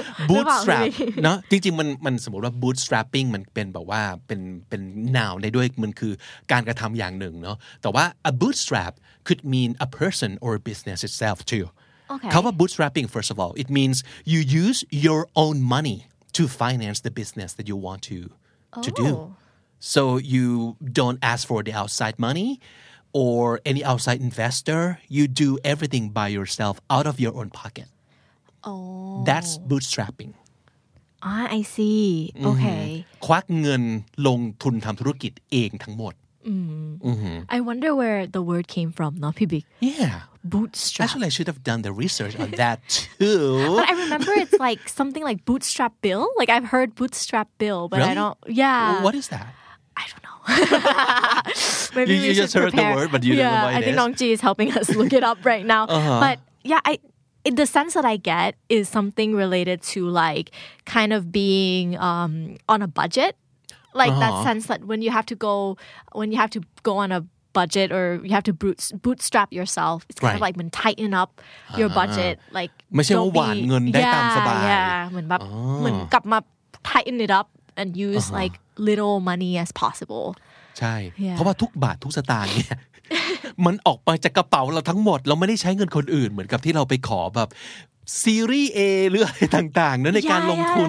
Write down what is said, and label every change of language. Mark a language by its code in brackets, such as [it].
[en] bootstrap [th] เนาะจริงๆมันสมมติว่า [en] bootstrapping [th] มันเป็นแบบว่าเป็น noun ได้ด้วยมันคือการกระทำอย่างหนึ่งเนาะแต่ว่า [en] a bootstrap could mean a person or a business itself too [th] คำว่า [en] bootstrapping first of all it means you use your own money to finance the business that you want to do. So you don't ask for the outside money, or any outside investor. You do everything by yourself out of your own pocket. Oh. That's bootstrapping. Ah, I see. Okay. [th] ควักเงินลงทุนทำธุรกิจเองทั้งหมด [en] I wonder where the word came from, no, Pibik? Yeah. Bootstrap. Actually, I should have done the research on that too. But I remember it's like something like bootstrap bill. Like I've heard bootstrap bill, but really? I don't... Yeah. What is that? I don't know. Maybe you just heard prepare. The word, but you yeah, don't know what it is. I think Nongji is helping us look it up right now. Uh-huh. But yeah, the sense that I get is something related to like kind of being on a budget. Like uh-huh. that sense that when you have to go on a budget or you have to bootstrap yourself, it's kind right. of like when tighten up uh-huh. your budget. Like [th] ไม่ใช่ว่าหวานเงินได้ตามสบาย เหมือนแบบเหมือนกลับมา [en] tighten it up and use uh-huh. like little money as possible. [th] ใช่ [en] yeah. [th] เพราะว่าทุกบาททุกสตางค์เนี่ย มันออกไปจากกระเป๋าเราทั้งหมดเราไม่ได้ใช้เงินคนอื่นเหมือนกับที่เราไปขอแบบSeries A หรืออะไรต่างๆนั้นในการลงทุน